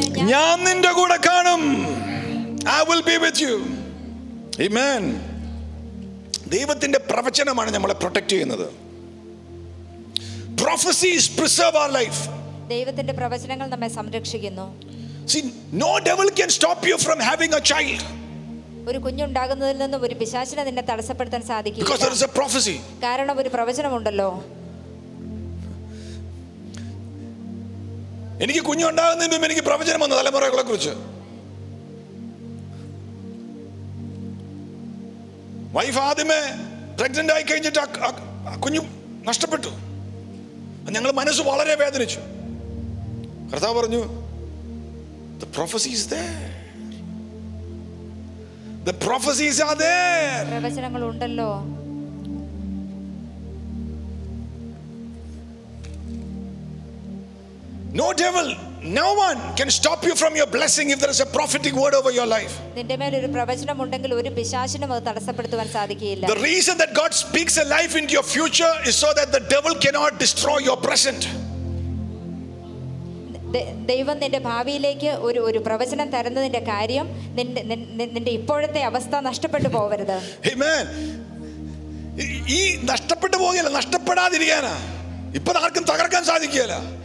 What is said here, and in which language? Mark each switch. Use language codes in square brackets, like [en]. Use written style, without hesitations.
[ml] ഞാൻ നിന്റെ കൂടെ കാണും. [en] I will be with you. Amen. [ml] ദൈവത്തിന്റെ പ്രവചനമാണ് നമ്മളെ പ്രൊട്ടക്ട് ചെയ്യുന്നത്. [en] Prophecies preserve our life. [ml] ദൈവത്തിന്റെ പ്രവചനങ്ങൾ നമ്മെ സംരക്ഷിക്കുന്നു. [en] See, no devil can stop you from having a child. [ml] ഒരു കുഞ്ഞുണ്ടാകുന്നതിൽ നിന്ന് ഒരു പിശാചിനെ നിന്നെ തടസ്സപ്പെടുത്താൻ സാധിക്കില്ല. [en] Because there is a prophecy. [ml] കാരണം ഒരു പ്രവചനമുണ്ടല്ലോ. എനിക്ക് കുഞ്ഞുണ്ടാകുന്നതിനും എനിക്ക് പ്രവചനം വന്നു തലമുറകളെ കുറിച്ച്. വൈഫ് ആദ്യമേ പ്രഗ്നന്റ് ആയി കഴിഞ്ഞിട്ട് കുഞ്ഞു നഷ്ടപ്പെട്ടു. ഞങ്ങൾ മനസ്സ് വളരെ വേദനിച്ചു. കർത്താവ് പറഞ്ഞു, [en] The prophecy is there, the prophecy is are there. [ml] പ്രവചനങ്ങൾ ഉണ്ടല്ലോ. [en] No devil, no one can stop you from your blessing if there is a prophetic word over your life. [ml] നിന്റെ മേൽ ഒരു പ്രവചനം ഉണ്ടെങ്കിൽ ഒരു പിശാചിനും അത് തടസ്സപ്പെടുത്താൻ സാധിക്കില്ല. [en] The reason that God speaks a life into your future is so that the devil cannot destroy your present. [ml] ദൈവം നിന്റെ ഭാവിയിലേക്ക് ഒരു ഒരു പ്രവചനം തരുന്നതിന്റെ കാര്യം നിന്റെ ഇപ്പോഴത്തെ അവസ്ഥ നഷ്ടപ്പെട്ടു പോവരുത്. [en] Amen. [ml] ഈ നഷ്ടപ്പെട്ടു പോകില്ല, നഷ്ടപ്പെടാതിരിക്കാനാ. ഇപ്പോ ആർക്കും തകർക്കാൻ സാധിക്കില്ല.